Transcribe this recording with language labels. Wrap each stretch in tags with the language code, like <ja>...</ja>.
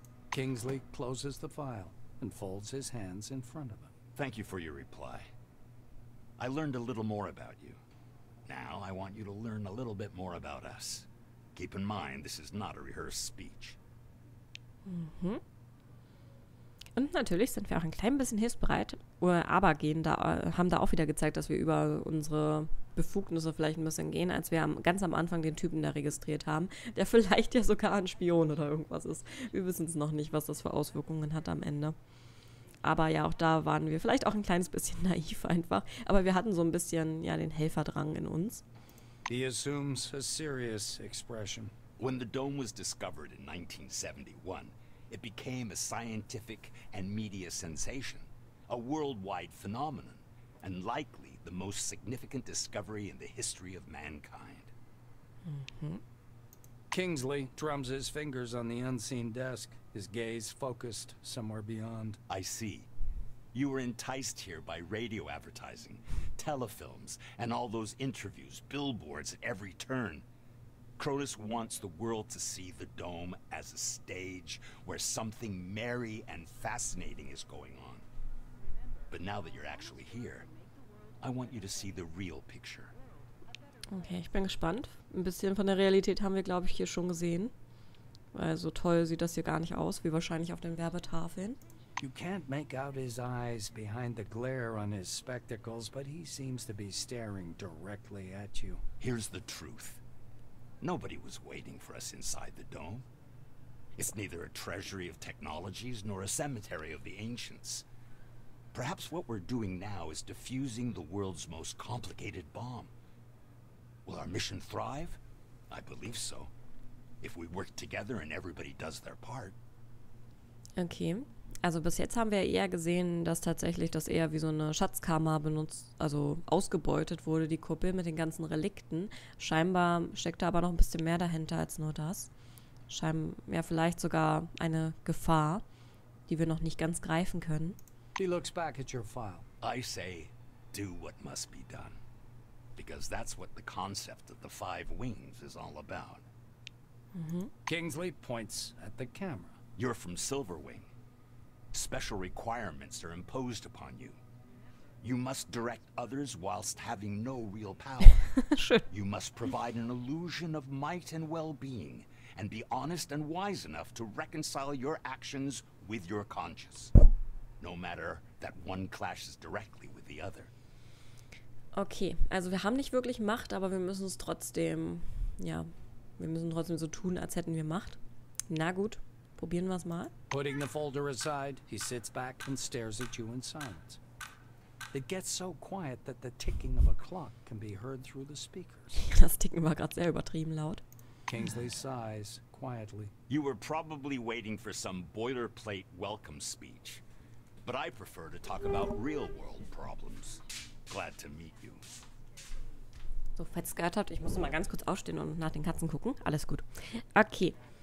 <en>Kingsley closes the file and folds his hands in front of him. Thank you for your reply. I learned a little more about you. Now I want you to learn a little bit more about us. Keep in mind, this is not a rehearsed speech. Mm-hmm.</en> <de>Und natürlich sind wir auch ein klein bisschen hilfsbereit, aber haben da auch wieder gezeigt, dass wir über unsere Befugnisse vielleicht ein bisschen gehen, als wir ganz am Anfang den Typen da registriert haben, der vielleicht ja sogar ein Spion oder irgendwas ist. Wir wissen es noch nicht, was das für Auswirkungen hat am Ende. Aber ja, auch da waren wir vielleicht auch ein kleines bisschen naiv einfach, aber wir hatten so ein bisschen ja den Helferdrang in uns.</de> <en>He assumes a serious expression. When the dome was discovered in 1971, it became a scientific and media sensation, a worldwide phenomenon, and likely the most significant discovery in the history of mankind. Mm-hmm. Kingsley drums his fingers on the unseen desk, his gaze focused somewhere beyond. I see. You were enticed here by radio advertising, telefilms, and all those interviews, billboards at every turn. Cronus wants the world to see the dome as a stage where something merry and fascinating is going on. But now that you're actually here, I want you to see the real picture.</en> <de>Okay, ich bin gespannt. Ein bisschen von der Realität haben wir, glaube ich, hier schon gesehen. Weil so toll sieht das hier gar nicht aus, wie wahrscheinlich auf den Werbetafeln.</de> <en>You can't make out his eyes behind the glare on his spectacles, but he seems to be staring directly at you. Here's the truth. Nobody was waiting for us inside the dome. It's neither a treasury of technologies nor a cemetery of the ancients. Perhaps what we're doing now is defusing the world's most complicated bomb. Will our mission thrive? I believe so. If we work together and everybody does their part. Okay.</en> <de>Also bis jetzt haben wir eher gesehen, dass tatsächlich das eher wie so eine Schatzkammer benutzt, also ausgebeutet wurde, die Kuppel mit den ganzen Relikten. Scheinbar steckt da aber noch ein bisschen mehr dahinter als nur das. Scheinbar, ja, vielleicht sogar eine Gefahr, die wir noch nicht ganz greifen können.</de> <en>She looks back at your file. I say, do what must be done. Because that's what the concept of the five wings is all about. Mm-hmm. Kingsley points at the camera. You're from Silverwing. Special requirements are imposed upon you. You must direct others whilst having no real power. Sure. You must provide an illusion of might and well-being and be honest and wise enough to reconcile your actions with your conscience. No matter that one clashes directly with the other.</en> <de>Okay, also wir haben nicht wirklich Macht, aber wir müssen es trotzdem, ja, wir müssen trotzdem so tun, als hätten wir Macht. Na gut, probieren wir es mal.</de> <en>Putting the folder aside, he sits back and stares at you in silence. It gets so quiet that the ticking of a clock can be heard through the speakers.</en> <de>Das Ticken war gerade sehr übertrieben laut.</de> <en>Kingsley sighs quietly. You were probably waiting for some boilerplate welcome speech, but I prefer to talk about real world problems. Glad to meet you.</en> <de>So, falls ihr es gehört habt, ich muss mal ganz kurz aufstehen und nach den Katzen gucken. Alles gut. Okay.</de>